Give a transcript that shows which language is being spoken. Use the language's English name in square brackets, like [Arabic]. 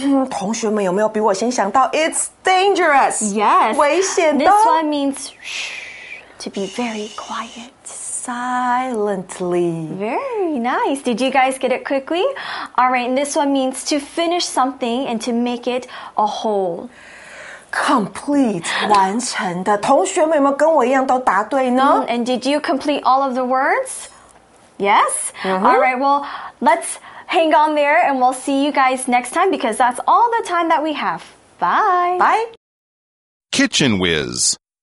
[Chinese] 同学们有没有比我先想到 [English] It's dangerous. Yes. [Chinese] 危险的 [English] This one means to be very quiet. Silently. Very nice. Did you guys get it quickly? All right. And this one means to finish something and to make it a whole. Complete. [Chinese] 完成的同学们有没有跟我一样都答对呢、 [English] And did you complete all of the words? Yes.、Mm-hmm. All right. Well, let's... Hang on there, and we'll see you guys next time because that's all the time that we have. Bye! Bye! Kitchen Whiz.